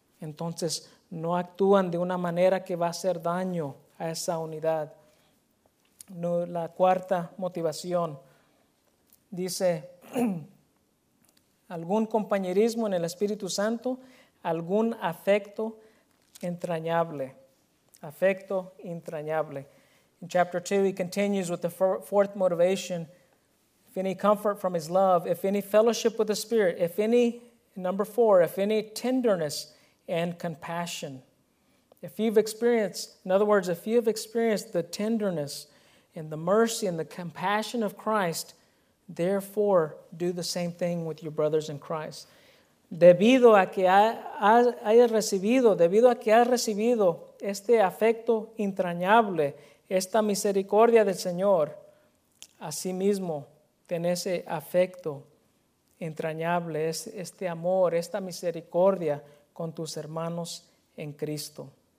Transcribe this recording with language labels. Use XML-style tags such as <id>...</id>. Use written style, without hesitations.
<es>Entonces, no actúan de una manera que va a hacer daño a esa unidad. No, la cuarta motivación dice, algún compañerismo en el Espíritu Santo, algún afecto entrañable. Afecto entrañable.</es> <en>In chapter 2, he continues with the fourth motivation. If any comfort from his love, if any fellowship with the Spirit, if any, number 4, if any tenderness and compassion. If you've experienced, in other words, if you've experienced the tenderness and the mercy and the compassion of Christ, therefore do the same thing with your brothers in Christ.</en> <es>Debido a que hayas recibido, debido a que has recibido este afecto entrañable, esta misericordia del Señor, asimismo, ten ese afecto entrañable, este amor, esta misericordia con tus hermanos en Cristo.</es>